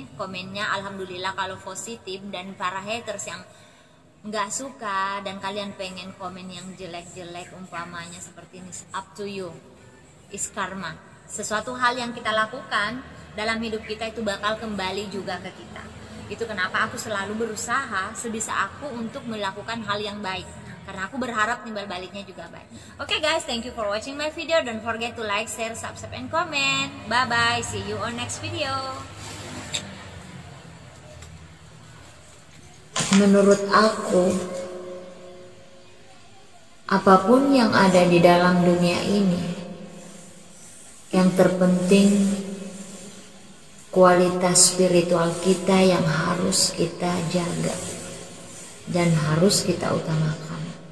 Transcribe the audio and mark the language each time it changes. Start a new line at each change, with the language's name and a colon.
Indonesian: Komennya alhamdulillah kalau positif, dan para haters yang gak suka dan kalian pengen komen yang jelek-jelek umpamanya seperti ini,
English: up to you, is karma.
Indonesian: Sesuatu hal yang kita lakukan dalam hidup kita itu bakal kembali juga ke kita. Itu kenapa aku selalu berusaha sebisa aku untuk melakukan hal yang baik, karena aku berharap timbal baliknya juga baik.
English: Okay guys, thank you for watching my video. Don't forget to like, share, subscribe, and comment. Bye bye, see you on next video.
Indonesian: Menurut aku, apapun yang ada di dalam dunia ini, yang terpenting kualitas spiritual kita yang harus kita jaga dan harus kita utamakan.